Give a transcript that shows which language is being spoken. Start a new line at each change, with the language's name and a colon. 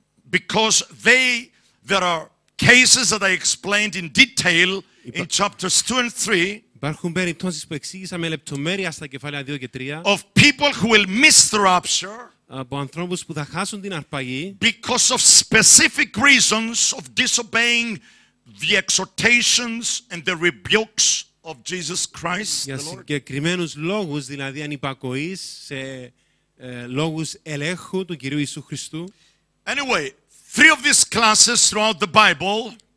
English: Because there are cases that I explained in detail in chapters 2 and 3.
Greek: Υπάρχουν περιπτώσεις που εξήγησα με λεπτομέρεια στα κεφάλαια 2 και 3.
English: Of people who will miss the rapture.
Greek: Από ανθρώπους που θα χάσουν την αρπαγή.
English: Because of specific reasons of disobeying the exhortations and the rebukes of Jesus Christ.
Greek: Για συγκεκριμένους λόγους, δηλαδή ανυπακοής σε λόγους ελέγχου του Κυρίου Ιησού Χριστού.
English: Anyway, three of these classes throughout the Bible.